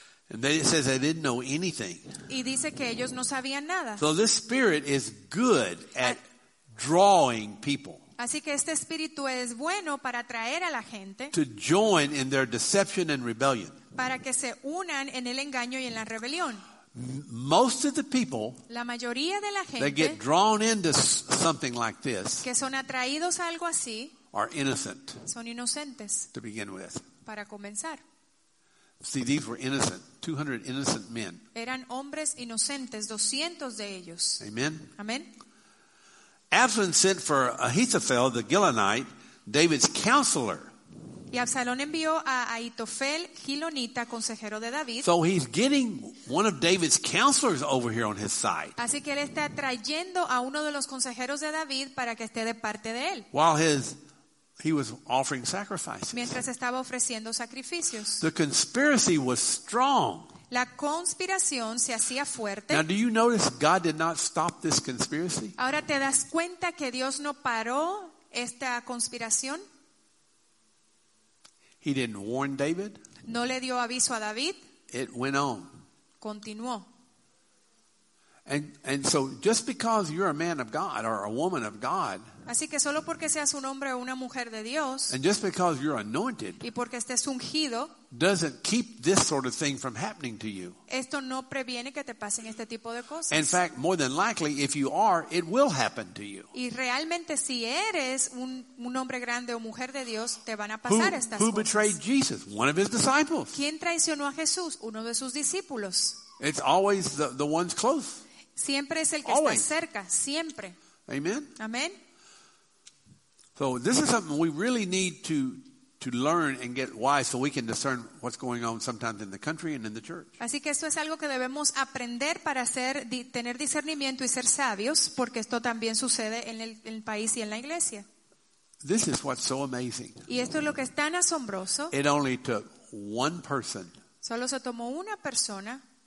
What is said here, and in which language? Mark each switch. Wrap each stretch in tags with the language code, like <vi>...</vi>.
<en>And then it says they didn't know anything.</en> <es>Y dice que ellos no sabían nada.</es> <en>So this spirit is good at drawing people.</en> <es>Así que este espíritu es bueno para atraer a la gente.</es> <en>To join in their deception and rebellion.</en> <es>Para que se unan en el engaño y en la rebelión.</es> <en>Most of the people,</en> <es>la mayoría de la gente,</es> <en>they get drawn into something like this,</en> <es>que son atraídos a algo así,</es> <en>are innocent.</en> <es>Son inocentes.</es> <en>To begin with.</en> <es>Para comenzar.</es> <en>See, these were innocent, 200 innocent men.</en> <es>Eran hombres inocentes, 200 de ellos.</es> <en>Amen.</en> <es>Amen.</es> <en>Absalom sent for Ahithophel the Gilonite, David's counselor.</en> <es>Y Absalón envió a Ahitofel Gilonita, consejero de David.</es> <en>So he's getting one of David's counselors over here on his side.</en> <es>Así que él está trayendo a uno de los consejeros de David para que esté de parte de él.</es> <en>While he was offering sacrifices.</en> <es>Mientras estaba ofreciendo sacrificios.</es> <en>The conspiracy was strong.</en> <es>La conspiración se hacía fuerte.</es> <en>Now, do you notice God did not stop this conspiracy?</en> <es>Ahora te das cuenta que Dios no paró esta conspiración.</es> <en>He didn't warn David.</en> <es>No le dio aviso a David.</es> <en>It went on.</en> <es>Continuó.</es> <en>And so just because you're a man of God or a woman of God,</en> <es>así que solo porque seas un hombre o una mujer de Dios,</es> <en>and just because you're anointed,</en> <es>y porque estés ungido,</es> <en>doesn't keep this sort of thing from happening to you.</en> <es>Esto no previene que te pasen este tipo de cosas.</es> <en>In fact, more than likely, if you are, it will happen to you.</en> <es>Y realmente si eres un hombre grande o mujer de Dios, te van a pasar estas cosas.</es> <en>Who betrayed Jesus? One of his disciples.</en> <es>¿Quién traicionó a Jesús? Uno de sus discípulos.</es> <en>It's always the ones close.</en> <es>Siempre es el que</es> <en>always</en> <es>está cerca. Siempre.</es> <en>Amen.</en> <es>Amen.</es> <en>So this is something we really need to learn and get wise, so we can discern what's going on sometimes in the country and in the church.</en> <es>Así que esto es algo que debemos aprender para tener discernimiento y ser sabios, porque esto también sucede en el país y en la iglesia.</es> <en>This is what's so amazing.</en> <es>Y esto es lo que es tan asombroso.</es> <en>It only took one person.</en> <es>Solo se tomó una persona.</es>